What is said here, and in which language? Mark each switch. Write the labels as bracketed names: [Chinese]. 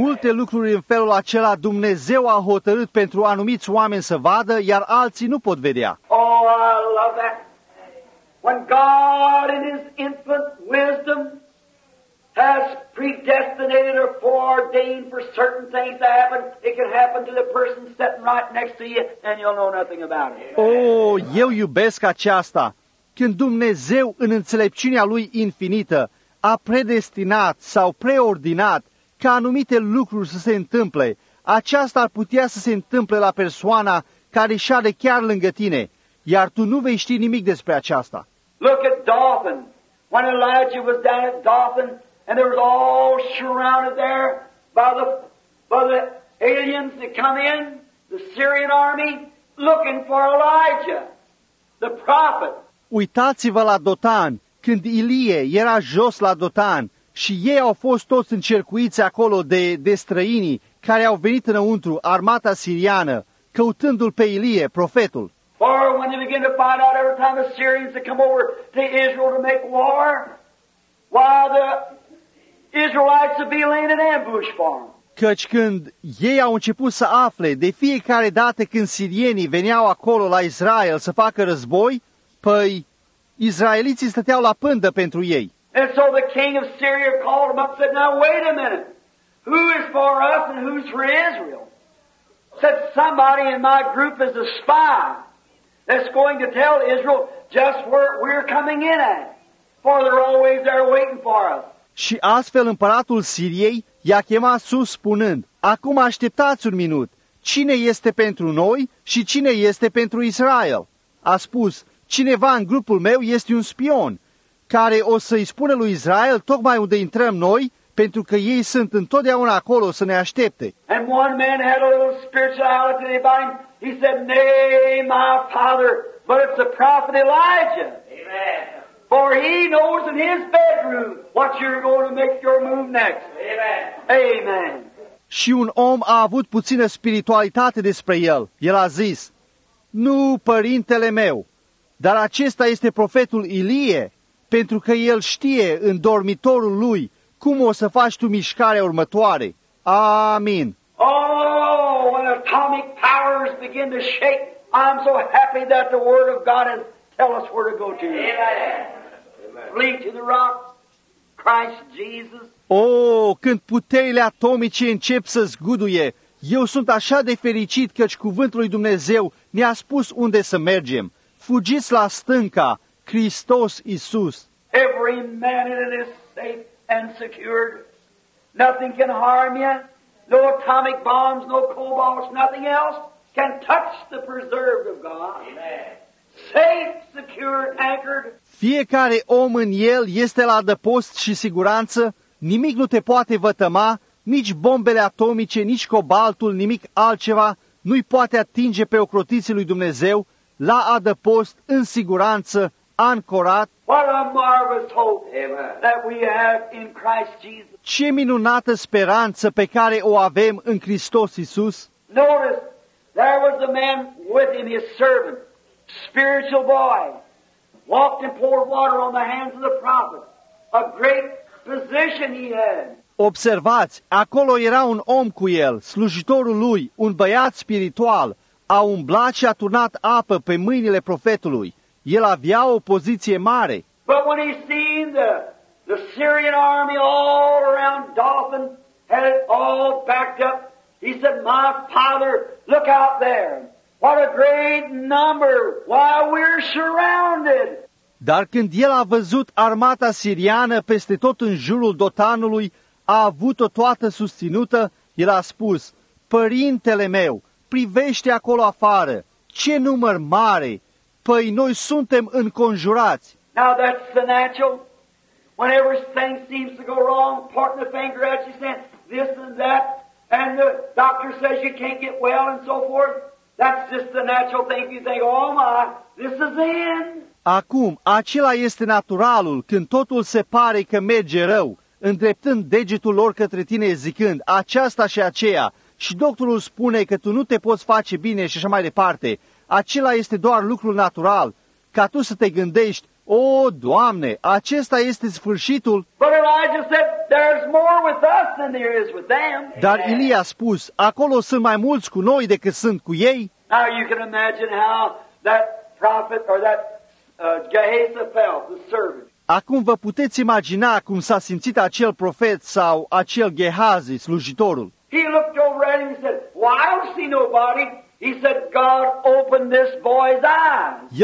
[Romanian] Multe lucruri în felul acela Dumnezeu a hotărât pentru anumiți oameni să vadă, iar alții nu pot vedea. [English] Oh, I love that. When God in his infinite wisdom has predestinated or foreordained for certain things to happen, it can happen to the person sitting right next to you and you'll know nothing about it. [Romanian] Oh, eu iubesc aceasta. Când Dumnezeu, în înțelepciunea Lui infinită, a predestinat sau preordinat ca anumite lucruri să se întâmple, aceasta ar putea să se întâmple la persoana care șade chiar lângă tine, iar tu nu vei ști nimic despre aceasta. [English] Look at Dothan. When Elijah was down at Dothan, and there was all surrounded there by the aliens that come in, the Syrian army, looking for Elijah, the prophet. [Romanian] Uitați-vă la Dotan, când Ilie era jos la Dotan și ei au fost toți încercuiți acolo de străinii care au venit înăuntru, armata siriană, căutându-l pe Ilie, profetul. [English] Or when they begin to find out every time the Syrians that come over to Israel to make war, while the Israelites would be laying an ambush for them. [Romanian] Căci când ei au început să afle, de fiecare dată când sirienii veneau acolo la Israel să facă război, păi izraeliții stăteau la pândă pentru ei. [English] And so the king of Syria called him up and said, "Now wait a minute. Who is for us and who's for Israel?" Said, "Somebody in my group is a spy that's going to tell Israel just where we're coming in at. For they're always there waiting for us." [Romanian] Și astfel împăratul Siriei i-a chemat sus spunând, "Acum așteptați un minut, cine este pentru noi și cine este pentru Israel?" A spus, "Cineva în grupul meu este un spion, care o să-i spună lui Israel tocmai unde intrăm noi, pentru că ei sunt întotdeauna acolo să ne aștepte." [English] And one man had a little spirituality about him. He said, "Nay, my father, but it's the prophet Elijah. Amen. For he knows in his bedroom what you're going to make your move next." Amen. Amen. [Romanian] Și un om a avut puțină spiritualitate despre el. El a zis, "Nu, părintele meu, dar acesta este profetul Ilie, pentru că el știe în dormitorul lui cum o să faci tu mișcarea următoare." Amin. [English] Oh, when atomic powers begin to shake, I'm so happy that the word of God has tell us where to go to. Amen. Flee to the rock, Christ Jesus. [Romanian] Oh, când puterile atomice încep să zguduie, eu sunt așa de fericit căci cuvântul lui Dumnezeu ne-a spus unde să mergem. Fugiți la stânca, Hristos Iisus. [English] Every man in it is safe and secured. Nothing can harm you. No atomic bombs, no cobalt, nothing else can touch the preserved of God. Amen. Safe, secure, anchored. [Romanian] Fiecare om în el este la adăpost și siguranță. Nimic nu te poate vătăma, nici bombele atomice, nici cobaltul, nimic altceva nu-i poate atinge pe ocrotiții lui Dumnezeu. La adăpost, în siguranță, ancorat. [English] What a marvelous hope that we have in Christ Jesus. [Romanian] Ce minunată speranță pe care o avem în Hristos Iisus. [English] Notice, there was a man with him, his servant, spiritual boy, walked and poured water on the hands of the prophet. A great position he had. [Romanian] Observați, acolo era un om cu el, slujitorul lui, un băiat spiritual, a umblat și a turnat apă pe mâinile profetului. El avea o poziție mare. [English] But when he seen the Syrian army all around Dothan, had it all backed up, he said, "My father, look out there. What a great number. Why, we're surrounded." [Romanian] Dar când el a văzut armata siriană peste tot în jurul Dothanului, a avut-o toată susținută, el a spus, "Părintele meu, privește acolo afară, ce număr mare, păi noi suntem înconjurați." [English] Now that's the natural. Whenever things seems to go wrong, pointing the finger at you, saying this and that, and the doctor says you can't get well and so forth, that's just the natural thing. You think, "Oh my, this is the end." [Romanian] Acum, acela este naturalul, când totul se pare că merge rău, îndreptând degetul lor către tine zicând, "Aceasta și aceea." Și doctorul spune că tu nu te poți face bine și așa mai departe. Acela este doar lucrul natural. Ca tu să te gândești, "O, Doamne, acesta este sfârșitul." [English] But Elijah said, "There's more with us than there is with them." [Romanian] Dar Ilie a spus, "Acolo sunt mai mulți cu noi decât sunt cu ei." [English] Now you can imagine how that prophet or that Gehazi felt, the servant. [Romanian] Acum vă puteți imagina cum s-a simțit acel profet sau acel Gehazi, slujitorul. [English] He looked over at him and said, "Well, I don't see nobody." He said, "God opened this boy's eyes."